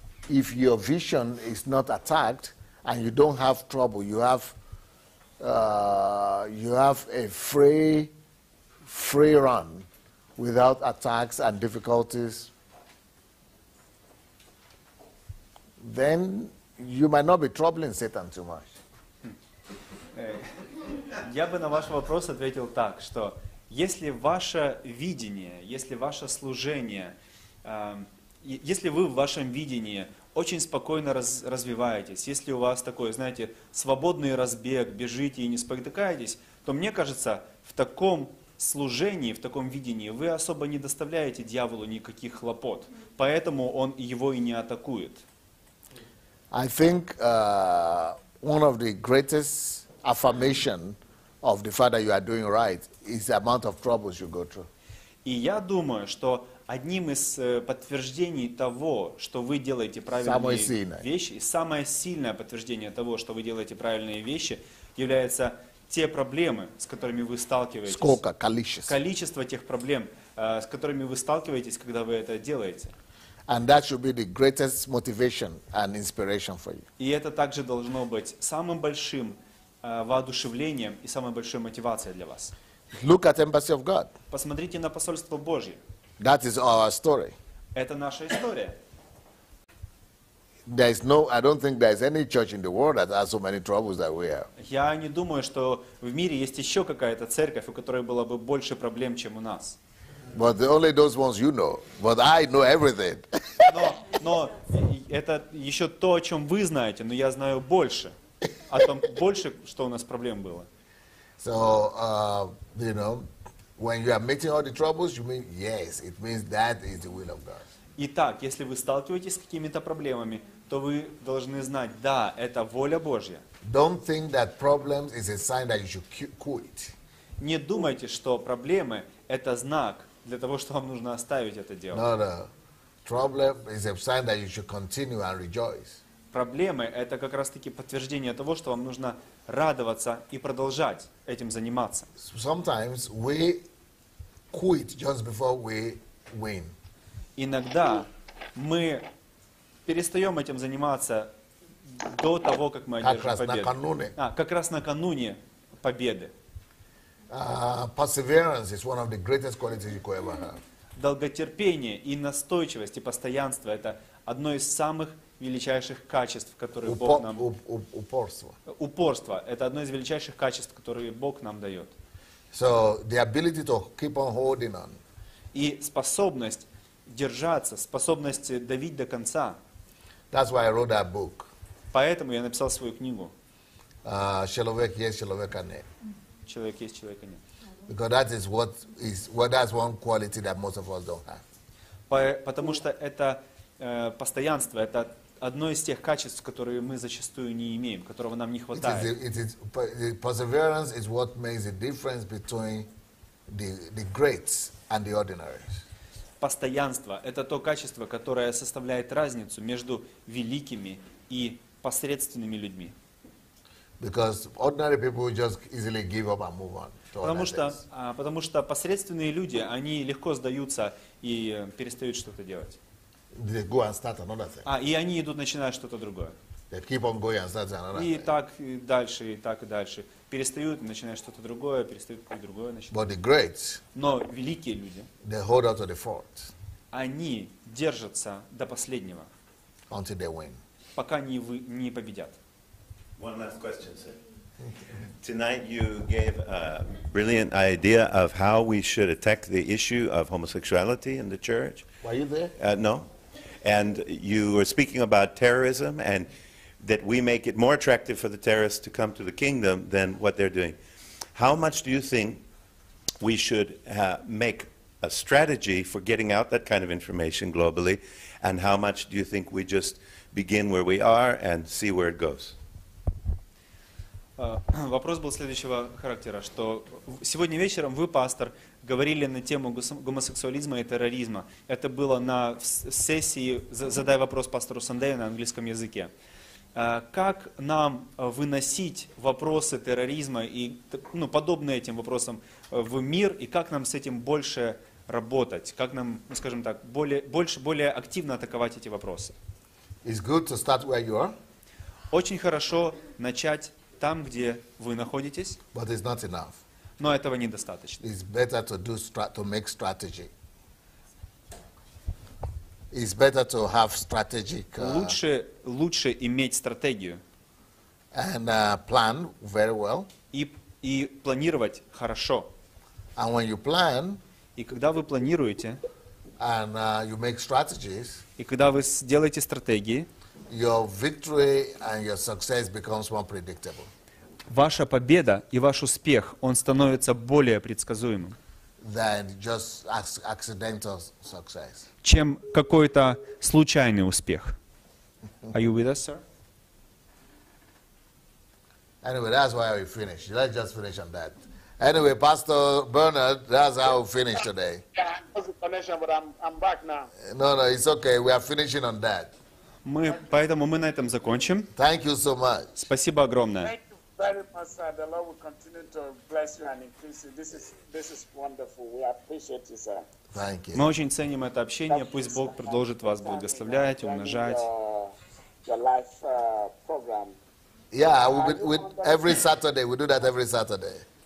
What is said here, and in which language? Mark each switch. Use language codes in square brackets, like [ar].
[en] if your vision is not attacked and you don't have trouble, you have a free run without attacks and difficulties, then you might not be troubling Satan too much. [ru] Я бы на ваш вопрос ответил так, что если ваше видение, если ваше служение, если вы в вашем видении очень спокойно развиваетесь, если у вас такой, знаете, свободный разбег, бежите и не спотыкаетесь, то мне кажется, в таком служении, в таком видении вы особо не доставляете дьяволу никаких хлопот, поэтому он его и не атакует. [en] I think one of the greatest affirmation of the fact that you are doing right is the amount of troubles you go through. [ru] И я думаю, что одним из подтверждений того, что вы делаете правильные вещи, и самое сильное подтверждение того, что вы делаете правильные вещи, является те проблемы, с которыми вы сталкиваетесь. Сколько? Количество. Количество тех проблем, с которыми вы сталкиваетесь, когда вы это делаете. [en] And that should be the greatest motivation and inspiration for you. [ru] И это также должно быть самым большим воодушевлением и самой большой мотивацией для вас. [en] Look at Embassy of God. [ru] Посмотрите на посольство Божье. [en] That is our story. [ru] Это наша история. [en] There is no, I don't think there is any church in the world that has so many troubles that we have. [ru] Я не думаю, что в мире есть еще какая-то церковь, у которой было бы больше проблем, чем у нас. [en] But the only those ones you know. But I know everything. [ru] Но это еще то, о чем вы знаете, но я знаю больше. О том, больше, что у нас проблем было. [en] So, you know, when you are meeting all the troubles, you mean, yes, it means that is the will of God. [ru] Итак, если вы сталкиваетесь с какими-то проблемами, то вы должны знать, да, это воля Божья. [en] Don't think that problems is a sign that you should quit. Не думайте, что проблемы – это знак для того, что вам нужно оставить это дело. No, no. Problem is a sign that you should continue and rejoice. [ru] Проблемы – это как раз-таки подтверждение того, что вам нужно радоваться и продолжать этим заниматься. [en] Sometimes we quit just before we win. [ru] Иногда мы перестаем этим заниматься до того, как мы одержим победу. Как раз накануне победы. [en] Perseverance is one of the greatest qualities you could ever have. [ru] Долготерпение и настойчивость и постоянство – это одно из самых величайших качеств, которые Бог нам... Упорство. Упорство – это одно из величайших качеств, которые Бог нам дает. [en] So, the ability to keep on holding on. [ru] И способность держаться, способность давить до конца. [en] That's why I wrote that book. [ru] Поэтому я написал свою книгу. Человек есть, человека нет. Человек есть, человека нет. [en] Because that is what is, what that's one quality that most of us don't have. [ru] Потому что это постоянство, это одно из тех качеств, которые мы зачастую не имеем, которого нам не хватает. [en] Perseverance is what makes the difference between the greats and the ordinary. [ru] Постоянство – это то качество, которое составляет разницу между великими и посредственными людьми. [en] Because ordinary people just easily give up and move on. [ru] Потому что посредственные люди, они легко сдаются и перестают что-то делать. [en] They go and start another thing. [ru] И они идут, начинают что-то другое. [en] They keep on going and start another thing. [ru] И так и дальше, и так и дальше. Перестают, начинают что-то другое, перестают какое-то другое начинать. [en] But the greats. [ru] Но великие люди. [en] They hold out to the fort. [ru] Они держатся до последнего. [en] Until they win. [ru] Пока не победят. [en] One last question, sir. Tonight you gave a brilliant idea of how we should attack the issue of homosexuality in the church. Were you there? No. And you were speaking about terrorism and that we make it more attractive for the terrorists to come to the kingdom than what they're doing. How much do you think we should make a strategy for getting out that kind of information globally, and how much do you think we just begin where we are and see where it goes? [ru] Вопрос был следующего характера, что сегодня вечером вы, пастор, говорили на тему гомосексуализма и терроризма. Это было на сессии «Задай вопрос пастору Сандею» на английском языке. Как нам выносить вопросы терроризма и подобные этим вопросам в мир, и как нам с этим больше работать, как нам, скажем так, более активно атаковать эти вопросы? [en] It's good to start where you are. [ru] Очень хорошо начать там, где вы находитесь. [en] But it's not enough. [ru] Но этого недостаточно. [en] It's better to do to make strategy. It's better to have strategic. [ru] Лучше иметь стратегию. [en] And plan very well. [ru] И планировать хорошо. [en] And when you plan. [ru] И когда вы планируете. [en] And you make strategies. [ru] И когда вы делаете стратегии. [en] Your victory and your success becomes more predictable. [ru] Ваша победа и ваш успех, он становится более предсказуемым. [en] Than just accidental success. [ru] Чем какой-то случайный успех. [en] Are you with us, sir? Anyway, that's why we finish. Let's just finish on that. Anyway, Pastor Bernard, that's how we finish today. Yeah, I was a connection, but I'm back now. No, it's okay. We are finishing on that. [ru] Поэтому мы на этом закончим. [en] Thank you so much. [ru] Спасибо огромное. [en] Thank you very much, Pastor. The Lord will continue to bless you and increase you. This is wonderful. We appreciate you, sir. Thank you. [ru] Мы очень ценим это общение. [en] Thank [ru] Пусть [en] you, [ru] Бог продолжит вас благословлять, умножать. [en] Your life program. Yeah, we every Saturday we do that every Saturday.